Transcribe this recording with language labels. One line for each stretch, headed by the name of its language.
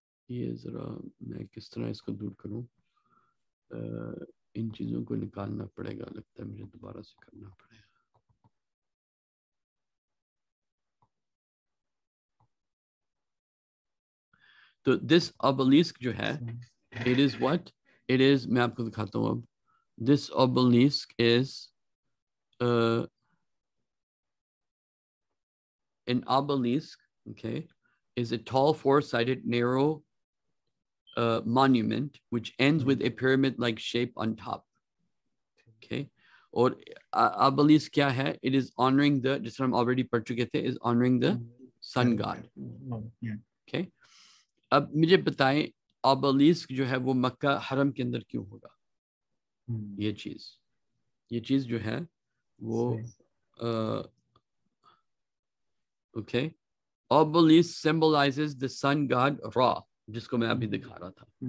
Hindi: ये जरा मैं किस तरह इसको दूर करूं इन चीजों को निकालना पड़ेगा लगता है मुझे दोबारा से करना पड़ेगा
English: So this obelisk
Hindi: jo hai,
English: it is what? It is,
Hindi: main aapko dikhata hu ab.
English: This obelisk is an obelisk, okay, is a tall, four-sided, narrow monument which ends with a pyramid-like shape on top. Okay.
Hindi: Aur obelisk kya hai?
English: It is honoring the,
Hindi: jis tarah hum already pad chuke the,
English: is honoring the sun god. Okay.
Hindi: अब मुझे बताएं ऑबेलिस्क जो है वो मक्का हरम के अंदर क्यों होगा ये चीज जो है वो okay
English: obelisk symbolises the sun god Ra
Hindi: जिसको मैं अभी दिखा रहा था